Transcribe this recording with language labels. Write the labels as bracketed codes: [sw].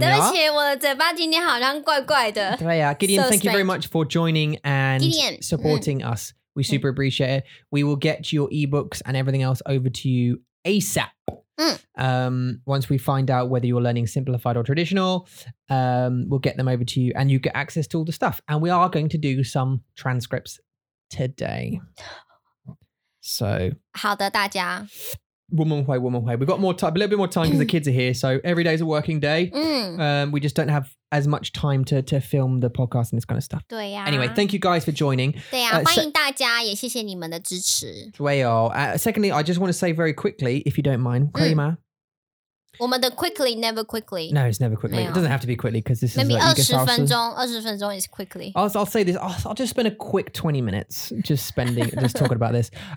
[zh] 对不起，我的嘴巴今天好像怪怪的。对呀、啊、， [en] Gideon, thank you very much for joining and Gideon, supporting us. We super appreciate it. We will get your ebooks and everything else over to you ASAP. Once we find out whether you're learning simplified or traditional, we'll get them over to you and you get access to all the stuff. And we are going to do some transcripts today. So. [zh] 好的，大家。我们会。 [en] We've got more time, a little bit more time because the kids are here. So every day is a working day. We just don't have as much time to film the podcast and this kind of stuff. [zh] 对呀、啊。 [en] Anyway, thank you guys for joining. [zh] 对呀、啊、欢迎大家也谢谢你们的支持。对哦。 [en] Secondly, I just want to say very quickly, if you don't mind, [zh] 可以吗？我们的 [en] quickly, never quickly. No, it's never quickly. It doesn't have to be quickly because this maybe is like... Maybe 20 minutes is quickly. I'll say this. I'll just spend a quick 20 minutes just talking about this.